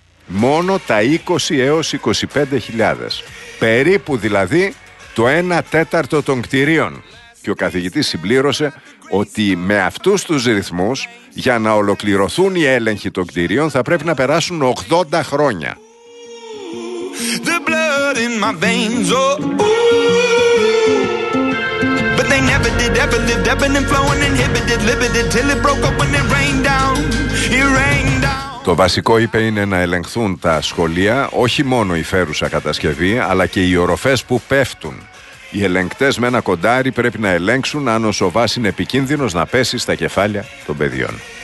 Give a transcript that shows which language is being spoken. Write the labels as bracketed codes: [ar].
[el] Μόνο τα 20 έως 25.000. Περίπου δηλαδή το 1 τέταρτο των κτιρίων. Και ο καθηγητής συμπλήρωσε ότι με αυτούς τους ρυθμούς, για να ολοκληρωθούν οι έλεγχοι των κτιρίων, θα πρέπει να περάσουν 80 χρόνια. [en] The blood in my veins, oh, but they never did ever live, ebbing and flowing, inhibited, limited till it broke open and rained down. It rained down. [el] Το βασικό, είπε, είναι να ελεγχθούν τα σχολεία, όχι μόνο η φέρουσα κατασκευή, αλλά και οι οροφές που πέφτουν. Οι ελεγκτές με ένα κοντάρι πρέπει να ελέγξουν αν ο σοβάς είναι επικίνδυνος να πέσει στα κεφάλια των παιδιών.